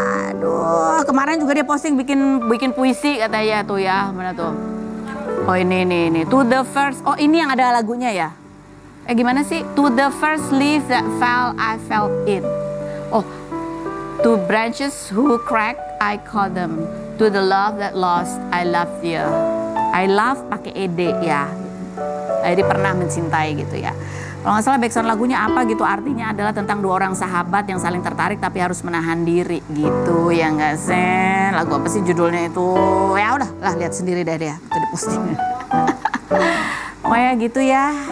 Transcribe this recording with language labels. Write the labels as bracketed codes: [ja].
[id] Aduh, kemarin juga dia posting bikin puisi katanya tuh ya, mana tuh? Oh ini, [en] to the first, [id] oh ini yang ada lagunya ya? Gimana sih? [en] To the first leaf that fell, I felt it. Oh, to branches who cracked, I caught them. To the love that lost, I loved you. I love [id] pakai ed ya. Jadi pernah mencintai gitu ya. Kalau nggak salah background lagunya apa gitu, artinya adalah tentang dua orang sahabat yang saling tertarik tapi harus menahan diri gitu ya nggak sih? Lagu apa sih judulnya itu? Ya udah lah, lihat sendiri deh dia, itu di postingnya. Pokoknya gitu ya.